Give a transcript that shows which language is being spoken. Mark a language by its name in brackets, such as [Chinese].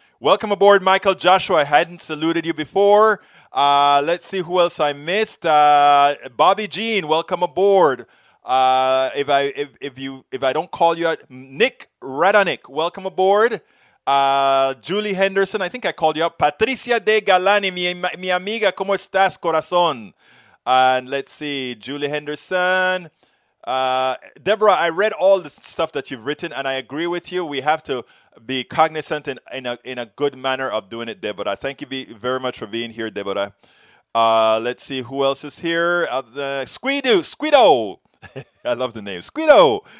[English] Welcome aboard, Michael Joshua. I hadn't saluted you before. Let's see who else I missed. Bobby Jean, welcome aboard. If I don't call you out, Nick Radonic, welcome aboard. Julie Henderson, I think I called you up. [Spanish] Patricia De Galani, mi amiga, ¿cómo estás, corazón? [English] And let's see, Julie Henderson. Deborah, I read all the stuff that you've written, and I agree with you. We have to be cognizant in a good manner of doing it, Deborah. Thank you very much for being here, Deborah. Let's see, who else is here? Squido. I love the name. Squido.